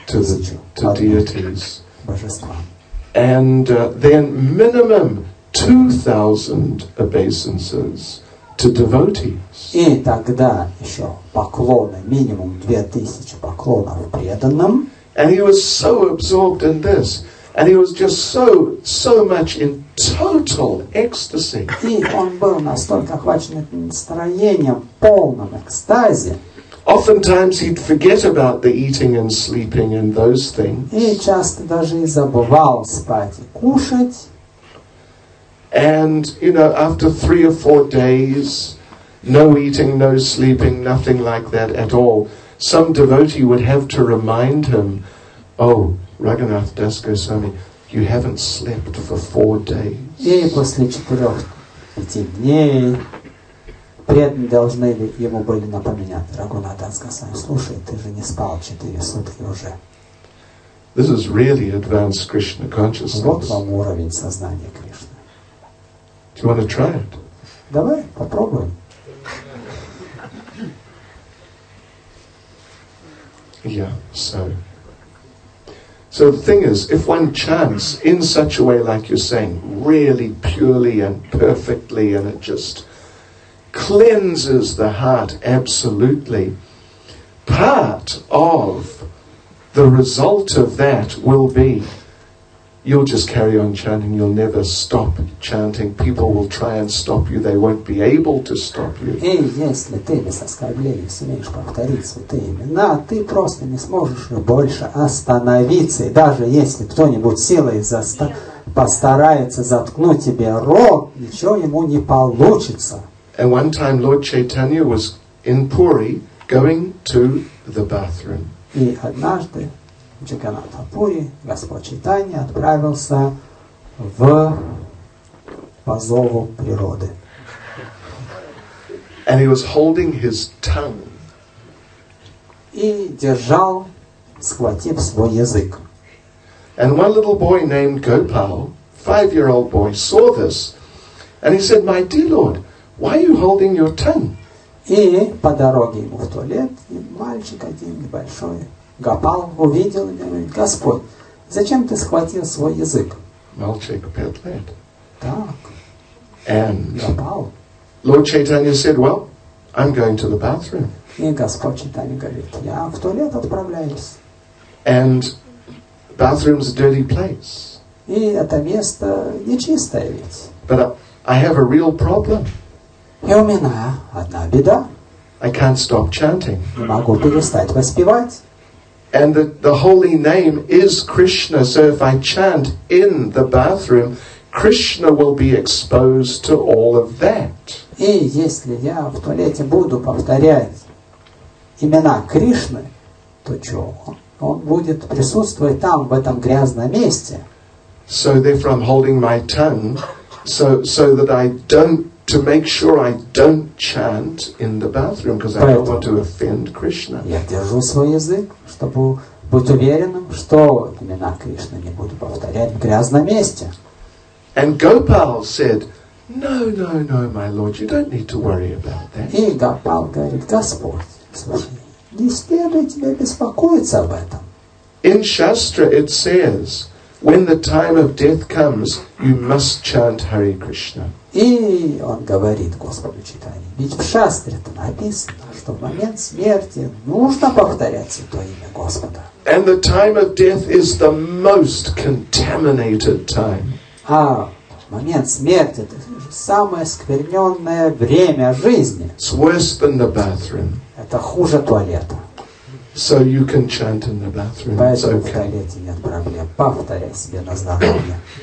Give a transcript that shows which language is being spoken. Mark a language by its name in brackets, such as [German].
[English] To deities. [Russian] Божествам. [English] And then minimum 2,000 obeisances to devotees. [Russian] И тогда еще поклоны, минимум 2,000 поклонов преданным. [English] And he was so absorbed in this. And he was just so, so much in total ecstasy. [Russian] И он был настолько охвачен этим настроением, полным экстазе. [English] Oftentimes he'd forget about the eating and sleeping and those things. [Russian] И часто даже и забывал спать и кушать. [English] And, you know, after 3 or 4 days, no eating, no sleeping, nothing like that at all, some devotee would have to remind him, oh, Raghunath Das Goswami, you haven't slept for 4 days. [Russian] И после 4-5 дней преданные должны ему были напоминать, Раганат Дас Госвами, слушай, ты же не спал 4 сутки уже. [English] This is really advanced Krishna consciousness. [Russian] Вот вам уровень сознания Кришны. [English] Do you want to try it? [Russian] Давай, попробуем. [English] Yeah, so the thing is, if one chants in such a way like you're saying, really purely and perfectly, and it just cleanses the heart absolutely, part of the result of that will be you'll just carry on chanting, you'll never stop chanting, people will try and stop you, they won't be able to stop you. [Russian] И если ты без оскорблений сумеешь повторить святые имена, ты просто не сможешь больше остановиться. И даже если кто-нибудь силой постарается заткнуть тебе рот, ничего ему не получится. [English] And one time Lord Chaitanya was in Puri going to the bathroom. [Russian] И однажды Джаганнатха Пури, Господь Чайтанья, отправился в позову природы. [English] And he was holding his tongue. [Russian] И держал, схватив свой язык. [English] And one little boy named Gopal, 5-year-old boy, saw this. And he said, my dear Lord, why are you holding your tongue? [Russian] И по дороге ему в туалет, и мальчик один небольшой, Гопал увидел и говорит, Господь, зачем ты схватил свой язык? Мальчик пел это. Так. [English] And [Russian] Гопал. [English] Lord Chaitanya said, well, I'm going to the bathroom. [Russian] И Господь Чайтанья говорит, я в туалет отправляюсь. [English] And bathroom's a dirty place. [Russian] И это место нечистое ведь. [English] But I have a real problem. [Russian] И у меня одна беда. [English] I can't stop chanting. [Russian] Не могу перестать воспевать. [English] And the holy name is Krishna. So if I chant in the bathroom, Krishna will be exposed to all of that. [Russian] И если я в туалете буду повторять имена Кришны, то что? Он будет присутствовать там, в этом грязном месте. [English] So therefore I'm holding my tongue so that I don't, to make sure I don't chant in the bathroom, because I don't want to offend Krishna. [Russian] Я держу свой язык, чтобы быть уверенным, что имена Кришны не буду повторять в грязном месте. [English] And Gopal said, no, no, no, my lord, you don't need to worry about that. [Russian] И Гопал говорит, Господь, слушай, не следует тебе беспокоиться об этом. [English] In Shastra it says, when the time of death comes, you must chant Hare Krishna. [Russian] И он говорит Господу Читании, ведь в Шастре-то написано, что в момент смерти нужно повторять Святое Имя Господа. [English] And the time of death is the most contaminated time. [Russian] А момент смерти — это самое скверненное время жизни. [English] It's worse than the bathroom. [Russian] Это хуже туалета. [English] So you can chant in the bathroom. [Russian] Поэтому в туалете нет проблем. Повторяй себе на здоровье.